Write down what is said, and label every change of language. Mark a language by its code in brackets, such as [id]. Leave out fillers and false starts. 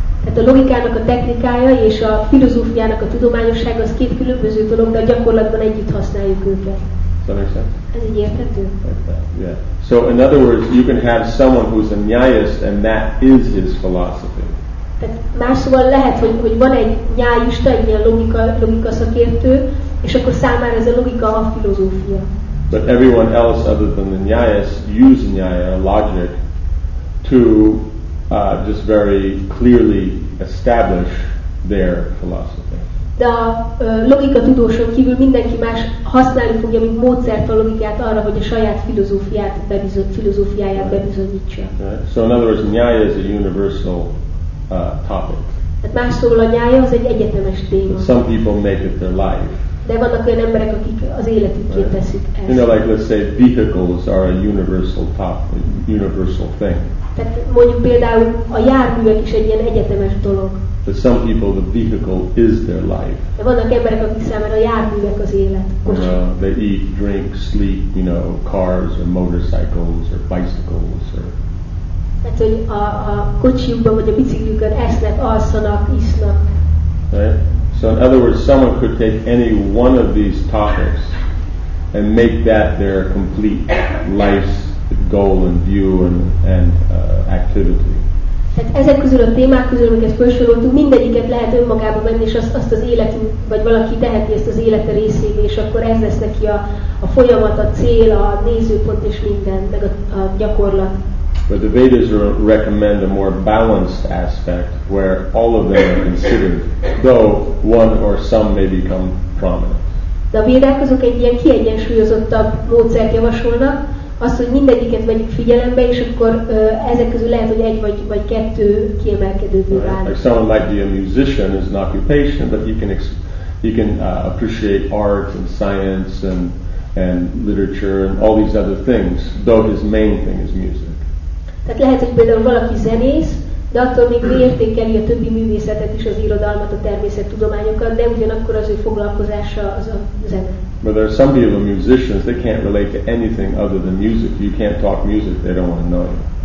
[hu] Tehát a logikának a technikája és a filozófiának a tudományosság az két különböző dolog, de a gyakorlatban együtt használjuk őket. [en] Does that make sense? [hu] Ez így érthető? [en] Like yeah. So in other words, you can have someone who's a nyájist and that is his philosophy. [hu] Tehát más szóval lehet, hogy van egy nyájista, egy ilyen logika szakértő, és akkor számára ez a logika a filozófia. [en] But everyone else other than the nyájas use nyája logic to just very clearly establish their philosophy. [hu] De a logika tudóson kívül mindenki más használni fogja, mint módszert a logikát arra, hogy a saját filozófiáját bebizonyítsa. [en] Right. So in other words, nyája is a universal topic. [hu] Tehát más szóval a nyája az egy egyetemes téma. [en] But some people make it their life. [hu] De vannak olyan emberek, akik az életükké [en] right. [hu] teszik ezt. [en] You know, like let's say vehicles are a universal topic, universal thing. [hu] Tehát mondjuk például a járművek is egy ilyen egyetemes dolog. [en] But some people, the vehicle is their life. [hu] De vannak emberek, akik számára a járművek az élet. [en] They eat, drink, sleep, you know, cars or motorcycles or bicycles or... [hu] Tehát, hogy a kocsiukban vagy a biciklikön esznek, alszanak, isznak. [en] Right? So in other words, someone could take any one of these topics and make that their complete life's goal and view and activity. [hu] Tehát ezek közül a témák közül, amiket felsoroltunk, mindegyiket lehet önmagába venni, és azt az életünk, vagy valaki teheti ezt az élete részévé, és akkor ez lesz neki a folyamat, a cél, a nézőpont és minden, meg a gyakorlat. [en] But the Vedas recommend a more balanced aspect where all of them are considered, though one or some may become prominent. [hu] De a Védák azok egy ilyen kiegyensúlyozottabb módszert javasolnak, az, hogy mindegyiket vegyük figyelembe, és akkor ezek közül lehet, hogy egy vagy kettő kiemelkedővé válik. [en] Like someone might be a musician as an occupation, but he can appreciate art and science and literature and all these other things, though his main thing is music. [hu] Tehát lehet, hogy például valaki zenész, de attól még értékeli a többi művészetet is, az irodalmat, a természettudományokat, de ugyanakkor az ő foglalkozása az a zene. [en] But there are some people, musicians, they can't relate to anything other than music. You can't talk music, they don't want to know you.